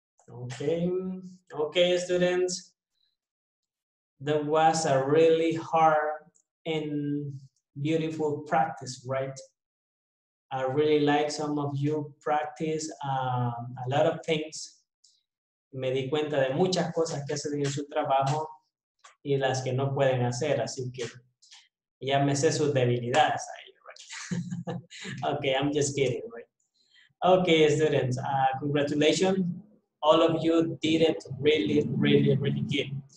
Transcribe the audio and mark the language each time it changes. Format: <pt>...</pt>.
<en>Okay, students, that was a really hard and beautiful practice, right? I really like some of you practice a lot of things.</en> <es>Me di cuenta de muchas cosas que hacen en su trabajo y las que no pueden hacer, así que ya me sé sus debilidades ahí,</es> <en>right? Okay, I'm just kidding, right? Okay, students, congratulations. All of you did it really, really, really good.</en>